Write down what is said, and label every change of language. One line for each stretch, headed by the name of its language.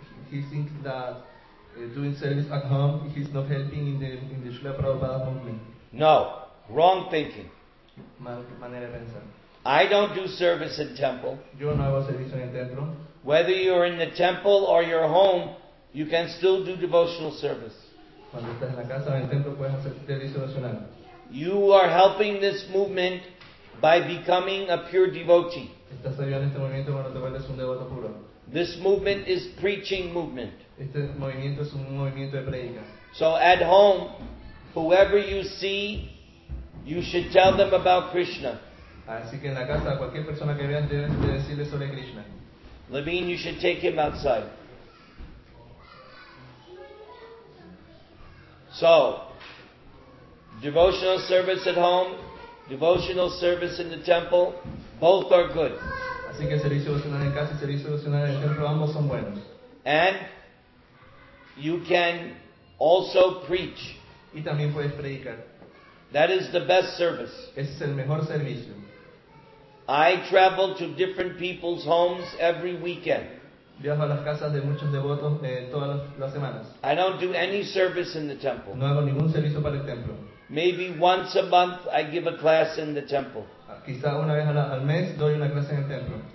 English: He thinks that doing service at home, he's not helping in the Srila Prabhupada movement. No, wrong thinking.
Spanish: Manera de pensar.
English: I don't do service in temple.
Spanish: Yo no hago servicio en el templo.
English: Whether you're in the temple or your home, you can still do devotional service.
Spanish: Cuando estás en la casa o en el templo, puedes hacer servicio devocional.
English: You are helping this movement by becoming a pure devotee.
Spanish: Estás ayudando este movimiento cuando te vuelves un devoto puro.
English: This movement is preaching movement.
Spanish: Este movimiento es un movimiento de predica.
English: So at home, whoever you see, you should tell them about Krishna.
Spanish: Así que en la casa, cualquier persona que vean debe decirle sobre Krishna.
English: Levine, you should take him outside. So, devotional service at home, devotional service in the temple, both are good.
Spanish: Así que servicio devocional en casa y servicio devocional en el templo, ambos son buenos.
English: And you can also preach.
Spanish: Y también puedes predicar.
English: That is the best service.
Spanish: Ese es el mejor servicio.
English: I travel to different people's homes every weekend.
Spanish: Viajo a las casas de muchos devotos todas las semanas.
English: I don't do any service in the temple.
Spanish: No hago ningún servicio para el templo.
English: Maybe once a month I give a class in the temple.
Spanish: Quizá una vez al mes doy una clase en el templo.